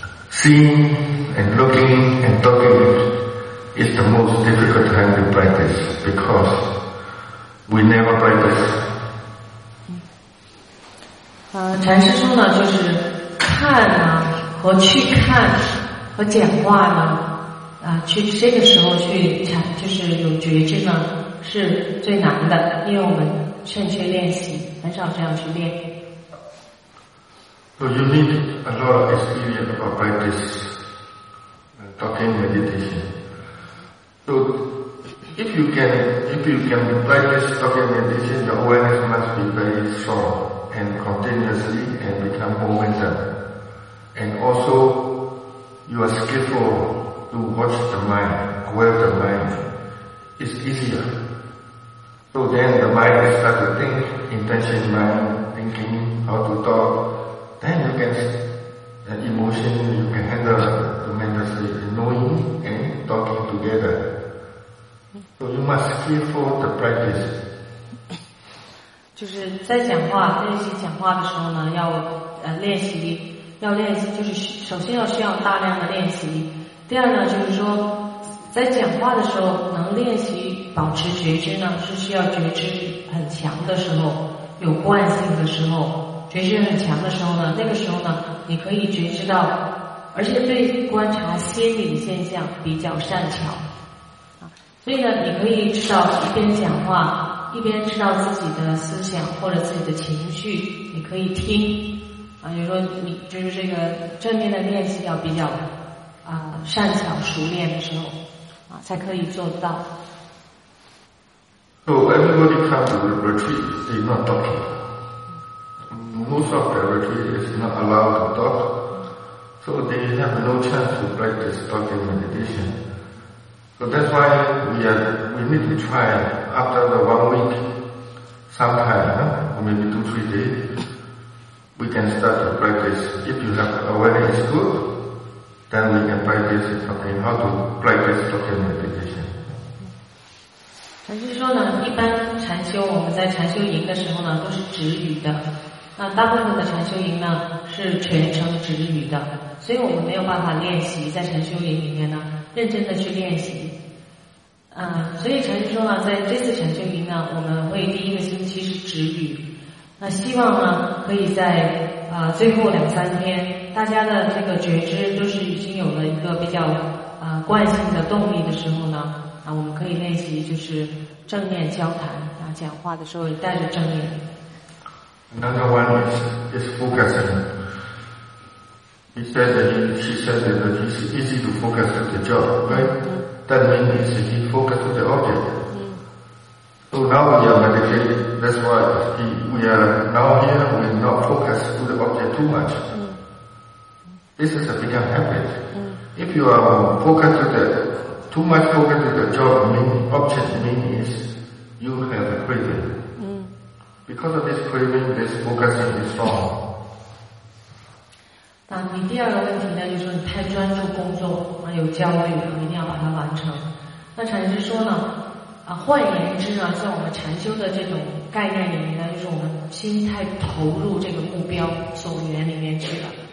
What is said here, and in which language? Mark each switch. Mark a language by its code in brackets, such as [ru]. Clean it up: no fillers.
[en] Seeing and looking and talking is the most difficult time to practice because we never practice. [zh] 禅师说呢，就是看啊和去看和讲话呢。去这个时候去禅，就是有觉知呢，是最难的，因为我们欠缺练习，很少这样去练。 [en] So you need a lot of experience about practice, talking meditation. So if you can practice talking meditation, your awareness must be very strong and continuously and become momentum. And also, you are skillful. To watch the mind, aware of the mind, is easier. So then the mind will start to think, intention mind, thinking how to talk. Then you can, the emotion you can handle tremendously, knowing and talking together. So you must feel for the practice. [zh] 就是在讲话，练习讲话的时候呢，要练习，就是首先要需要大量的练习。第二呢，就是说在讲话的时候能练习保持觉知呢，是需要觉知很强的时候，有惯性的时候，觉知很强的时候呢，那个时候呢你可以觉知到，而且对观察心理现象比较善巧，所以呢你可以知道一边讲话一边知道自己的思想或者自己的情绪，你可以听啊，比如说你就是这个正面的练习要比较善巧熟练的时候才可以做到。 [en] So everybody comes to the retreat, they're not talking. Most of the retreat is not allowed to talk. So they have no chance to practice talking meditation. So that's why we need to try after the 1 week, sometime, or maybe 2-3 days, we can start to practice. If you have awareness good,Then we can practice talking, how to practice talking meditation. [zh] 禅师说呢，一般禅修我们在禅修营的时候呢都是止语的，那大部分的禅修营呢是全程止语的，所以我们没有办法练习在禅修营里面呢认真的去练习。所以禅师说呢，在这次禅修营呢，我们会第一个星期是止语，那希望呢可以在最后两三天大家的这个觉知都是已经有了一个比较惯性的动力的时候呢，我们可以练习就是正面交谈啊，讲话的时候带着正面。 [en] Another one is focusing. He said that she said that it is easy to focus on the job, right? That means he focused on the object. So now we are meditating. That's why we are now here. We are not focused on the object too much. This is a big habit. If you are focused on the, To my focus to the job, main object, main is you have a craving. Because of this craving, this focus is strong. [zh] 那你第二个问题呢，就是你太专注工作啊，有焦虑，一定要把它完成。那禅师说呢，啊，换言之啊，像我们禅修的这种概念里面呢，就是我们心太投入这个目标所缘里面去了。